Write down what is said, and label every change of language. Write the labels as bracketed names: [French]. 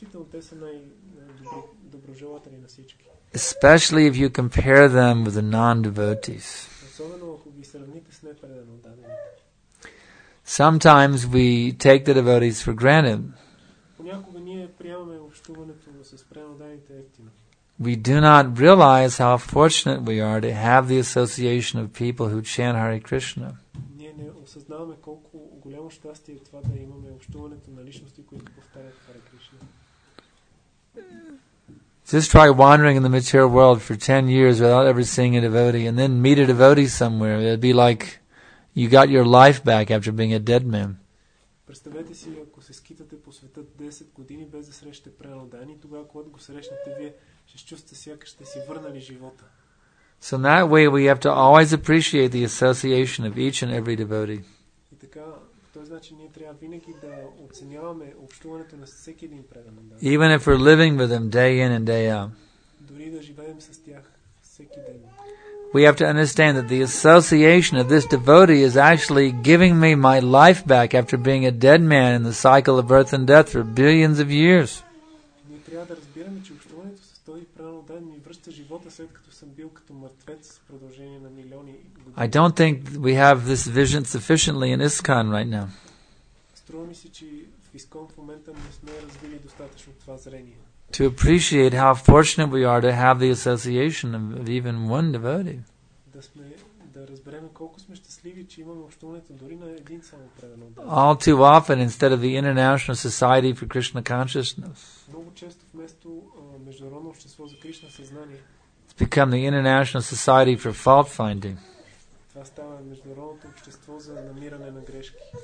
[Bulgarian] Те са най-доброжелатели на всички. [English] Especially if you compare them with the non-devotees. [Bulgarian] Особено ако ги сравните с непреданоданите. [English] Sometimes we take the devotees for granted. [Bulgarian] Понякога ние приемаме общуването с преданоданите ефтино. [English] We do not realize how fortunate we are to have the association of people who chant Hare Krishna. [Bulgarian] Ние не осъзнаваме колко голямо щастие е това да имаме общуването на личности, които повтарят Hare Krishna. [English] Just try wandering in the material world for 10 years without ever seeing a devotee and then meet a devotee somewhere. It'd be like you got your life back after being a dead man. [Bulgarian] Представете си, ако се скитате по света 10 години без да срещате преданите, тогава когато го срещнете, вие ще се чувствате сякаш сте си върнали живота. [English] So in that way we have to always appreciate the association of each and every devotee. [Bulgarian] И така, това значи ние трябва винаги да оценяваме общуването на всеки един преданен. [English] Even if we're living with them day in and day out. [Bulgarian] Дори да живеем с тях всеки ден. [English] We have to understand that the association of this devotee is actually giving me my life back after being a dead man in the cycle of birth and death for billions of years. [Bulgarian] Ние трябва да разбираме, че общуването с този преданоден ми връща живота след като съм бил като мъртвец в продължение на милиони години. [English] I don't think we have this vision sufficiently in ISKCON right now. [Bulgarian] Струва ми се, че в ISKCON в момента не сме развили достатъчно това зрение. [English] To appreciate how fortunate we are to have the association of even one devotee. [Bulgarian] Да сме, да разберем колко сме щастливи, че имаме общуването дори на един само преданоден. [English] All too often, instead of the International Society for Krishna Consciousness, [Bulgarian] много често вместо международно общество за Кришна съзнание, [English] it's become the International Society for Fault Finding. [Bulgarian] Това става международното общество за намиране на грешки.